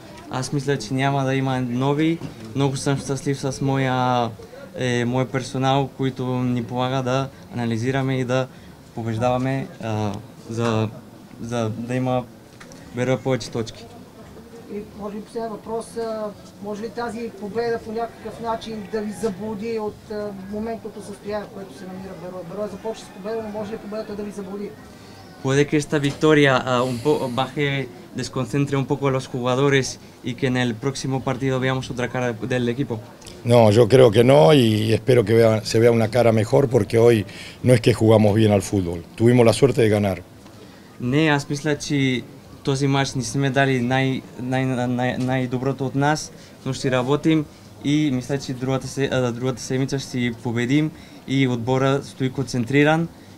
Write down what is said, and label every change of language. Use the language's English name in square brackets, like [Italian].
[Bulgarian] Аз мисля, че няма да има нови. Много съм щастлив с моя мой персонал, който ни помага да анализираме и да побеждаваме за да има вера повече точки. И може би последен въпрос, може ли тази победа по някакъв начин да ви заблуди от моментното състояние, в което се намира Берое? Берое започва с победа, но може ли победата да ви заблуди? [Spanish] Puede que esta victoria baje, desconcentre un poco a los jugadores y que en el próximo partido veamos otra cara del equipo. No, yo creo que no y espero que se vea una cara mejor porque hoy no es que jugamos bien al fútbol. Tuvimos la suerte de ganar. [Bulgarian] Не, аз мисля, че този матч не сме дали най-доброто от нас, но ще работим и мисля, че другата седмица ще победим и отбора стои концентриран.